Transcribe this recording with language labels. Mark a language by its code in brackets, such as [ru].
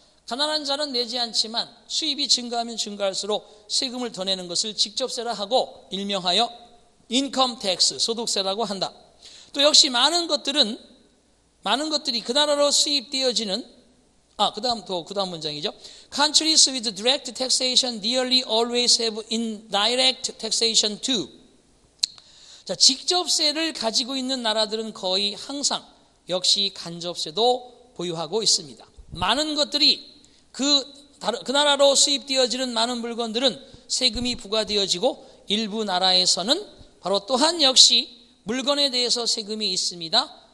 [ko] 가난한 자는 내지 않지만 수입이 증가하면 증가할수록 세금을 더 내는 것을 직접세라 하고 일명하여 income tax, 소득세라고 한다. 또 역시 많은 것들이 그 나라로 수입되어지는, 그 다음 문장이죠. [en] Countries with direct taxation nearly always have indirect taxation too. [ko] 자, 직접세를 가지고 있는 나라들은 거의 항상 역시 간접세도 보유하고 있습니다. 많은 것들이 그 나라로 수입되어지는 많은 물건들은 세금이 부과되어지고 일부 나라에서는 바로 또한 역시 물건에 대해서 세금이 있습니다.